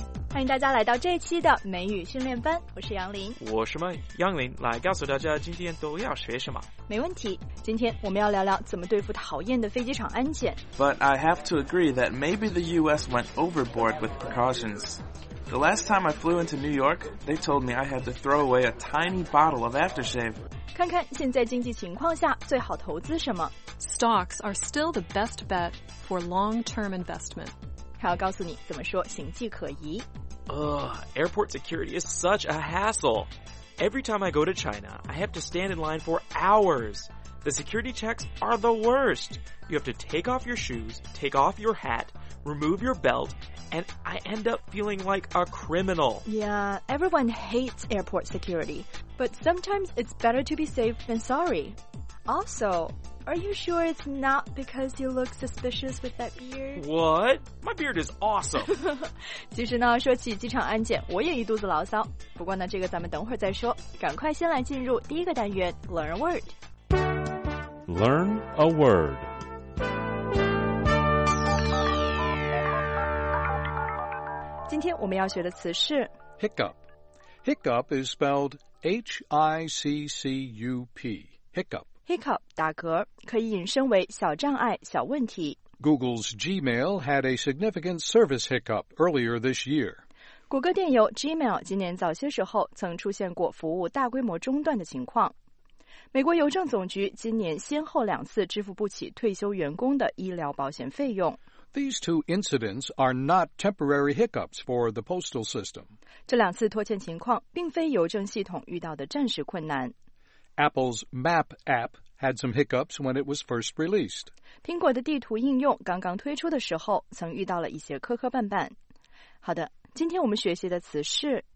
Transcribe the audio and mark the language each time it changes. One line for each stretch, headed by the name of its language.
Chinese: 欢迎大家来到这一期的美语训练班，我是杨林。我是杨林，来告诉大家今天都要学什么。没问题，今天我们要聊聊怎么对付讨厌的飞机场安检。
English: But I have to agree that maybe the US went overboard with precautions. The last time I flew into New York, they told me I had to throw away a tiny bottle of aftershave.
Chinese: 看看现在经济情况下最好投资什么。
English: Stocks are still the best bet for long-term investment.
Chinese: 还要告诉你怎么说行迹可疑。
English: Airport security is such a hassle. Every time I go to China, I have to stand in line for hours. The security checks are the worst. You have to take off your shoes, take off your hat, remove your belt, and I end up feeling like a criminal. Yeah, everyone hates airport security. But sometimes it's better to be safe than sorry. Also, are you sure it's not because you look suspicious with that beard? What? My beard is awesome.
Chinese: 其实呢，说起机场安检，我也一肚子牢骚。不过呢，这个咱们等会儿再说。赶快先来进入第一个单元 ，
English: Learn a word. Learn a word. Today,
Chinese: 我们要学的词是
English: hiccup. Hiccup is spelled. H-I-C-C-U-P, hiccup.
Chinese: Hiccup, 打嗝,可以引申为小障碍,小问题。
English: Google's Gmail had a significant service hiccup earlier this year.
Chinese: 谷歌电邮 Gmail 今年早些时候曾出现过服务大规模中断的情况。美国邮政总局今年先后两次支付不起退休员工的医疗保险费用。
English: These two incidents are not temporary hiccups for the postal system.
Chinese: 这两次拖欠情况并非邮政系统遇到的暂时困难。
English: Apple's Map app had some hiccups when it was first released.
Chinese: 苹果的地图应用刚刚推出的时候曾遇到了一些磕磕绊绊。好的，今天我们学习的词是